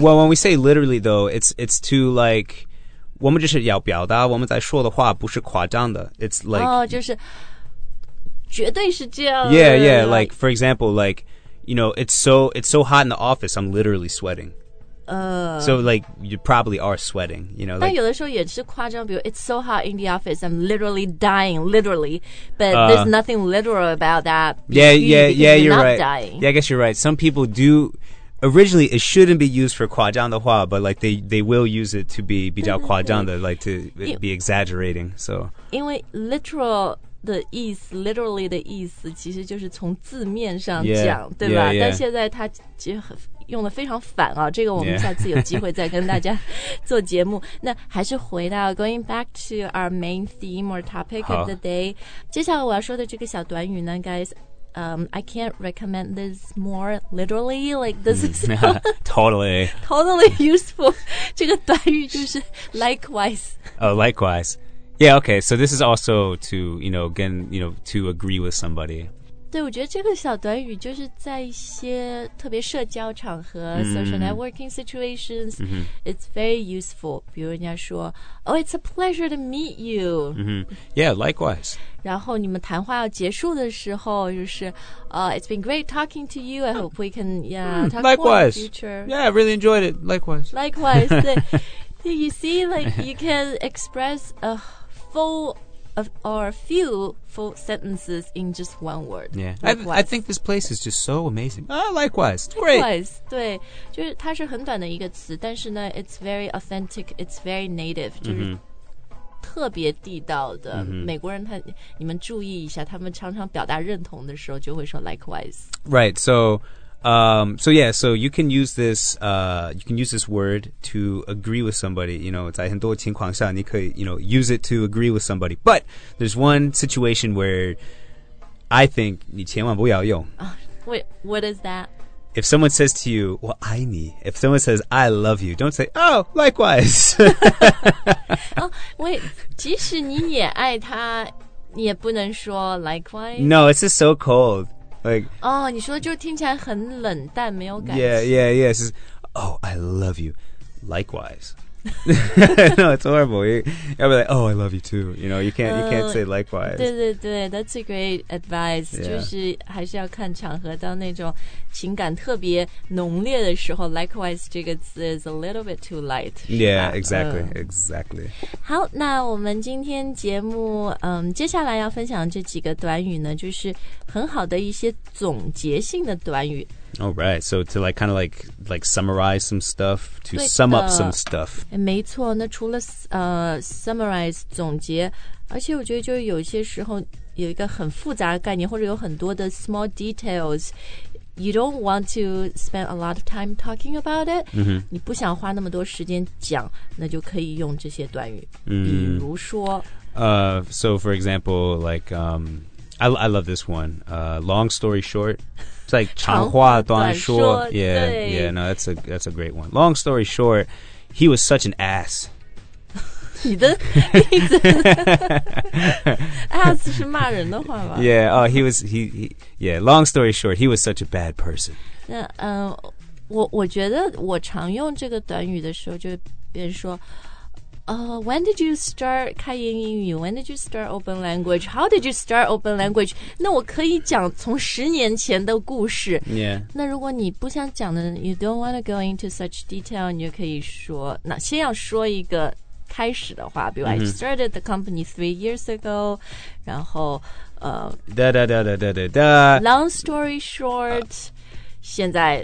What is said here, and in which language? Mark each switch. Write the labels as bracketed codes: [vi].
[en] Well, when we say literally, though, it's too, like, [zh] 我们就是要表达我们在说的话不是夸张的。 [en] It's like... [zh] 就是绝对是这样的 [en] Yeah, yeah, like, for example, like, you know, it's so hot in the office, I'm literally sweating. So, like, you probably are sweating, you know. Like, [zh] 但有的时候也是夸张比如 [en] it's so hot in the office, I'm literally dying, literally. But there's nothing literal about that. Yeah, you're right. Dying. Yeah, I guess you're right. Some people do, originally, it shouldn't be used for [zh] 夸张的话, [en] but, like, they will use it to be [zh] 较夸张的, [en] like, to be exaggerating, so. [zh] 因为 literal... 的意思 literally 的意思其实就是从字面上讲 [en] yeah, [zh] 对吧 [en] yeah, yeah. [zh] 但现在他用的非常反啊这个我们下次有机会再跟大家做节目、 [en] yeah. [zh] 那还是回到 [en] going back to our main theme or topic of the day [zh] 接下来我要说的这个小短语呢 [en] guys、I can't recommend this more literally like this is totally [zh] useful 这个短语就是 likewise [en] oh likewiseYeah, okay, so this is also to, you know, again, you know, to agree with somebody. [zh] 对,我觉得这个小短语就是在一些特别社交场合 [en] social networking situations, it's very useful. [zh] 比如人家说, [en] oh, it's a pleasure to meet you. Yeah, likewise. [zh] 然后你们谈话要结束的时候就是, [en] it's been great talking to you. I hope we can, talk more in the future. Yeah, I really enjoyed it. Likewise, [zh] 对。 [en] You see, like, you can express a full of, or a few full sentences in just one word. Yeah, I think this place is just so amazing. Likewise, it's great. [zh] Likewise, 对，就是它是很短的一个词，但是呢 [en] it's very authentic, it's very native, [zh] 就是特别地道的。美国人他，你们注意一下，他们常常表达认同的时候就会说 likewise. [en] Right, so... so yeah, so you can use this, you can use this word to agree with somebody, you know, [zh] 在很多情况下你可以, [en] you know, use it to agree with somebody. But there's one situation where I think [zh] 你千万不要用. [en] What is that? If someone says to you, [zh] 我爱你, [en] if someone says, I love you, don't say, oh, likewise. Oh, wait, [zh] 即使你也爱他, 你也不能说 likewise? [en] No, it's just so cold. Like, [zh] oh, 你说的就听起来很冷淡没有感情 [en] Yeah, it's just, Oh, I love you Likewise No, it's horrible I'll be like, oh, I love you too You know, you can't say likewise [zh] 对对对 [en] That's a great advice、 yeah. [zh] 就是还是要看场合到那种情感特别浓烈的时候 Likewise 这个词 [en] is a little bit too light Yeah, exactly [zh] 好那我们今天节目、接下来要分享这几个短语呢就是很好的一些总结性的短语 [en] All right, so to like kind of like summarize some stuff, to sum up some stuff. [zh] 没错，那除了summarize 总结，而且我觉得就是有些时候有一个很复杂的概念，或者有很多的 [en] small details, you don't want to spend a lot of time talking about it.、 Mm-hmm. [zh] 你不想花那么多时间讲，那就可以用这些短语。 Mm-hmm. 比如说 [en] So for example, like, I love this one. Long story short. Like [zh] 长话短说 [en] yeah, yeah, no, that's a great one. Long story short, he was such an ass. [zh] 你的意思 ass 是骂人的话吗 [en] Yeah, he long story short, he was such a bad person. [zh] 那我觉得我常用这个短语的时候，就别人说 [en] when did you start [zh] 开言英语 [en] When did you start open language? How did you start open language? [zh] 那我可以讲从十年前的故事 [en] Yeah [zh] 那如果你不想讲的 [en] You don't want to go into such detail [zh] 你就可以说那先要说一个开始的话比如、mm-hmm. [en] I started the company 3 years ago [zh] 然后 da da da da da da da [en] Long story short、 [zh] 现在